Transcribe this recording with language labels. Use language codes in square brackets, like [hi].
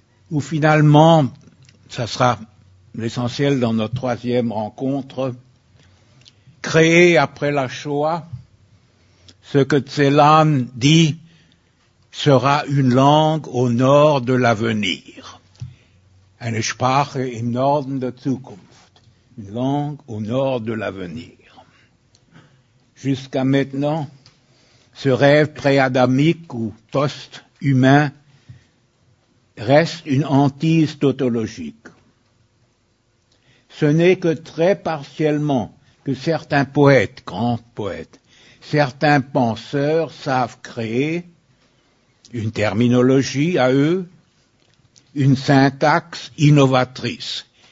[fr] Ou finalement, ça sera l'essentiel dans notre troisième rencontre, créer après la Shoah ce que Tselan dit sera une langue au nord de l'avenir. [de] Eine Sprache im Norden der Zukunft. [fr] Une langue au nord de l'avenir. Jusqu'à maintenant, ce rêve pré-adamique ou post-humain reste une hantise tautologique. Ce n'est que très partiellement que certains poètes, grands poètes, certains penseurs savent créer une terminologie à eux, une syntaxe innovatrice.